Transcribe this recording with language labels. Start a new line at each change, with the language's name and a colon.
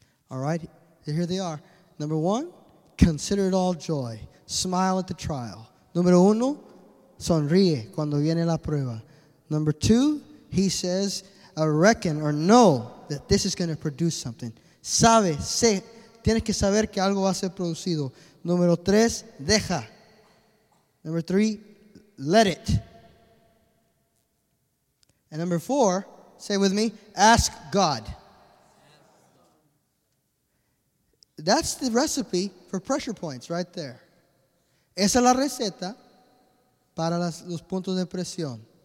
English: All right, here they are. Number one, consider it all joy. Smile at the trial.
Spanish: Number uno, sonríe cuando viene la prueba.
English: Number two, he says, I reckon or know that this is going to produce something.
Spanish: Sabe, sé, tienes que saber que algo va a ser producido. Número tres, deja.
English: Number three, let it. And number four, say with me, ask God. That's the recipe for pressure points right there.
Spanish: Esa es la receta para los puntos de presión.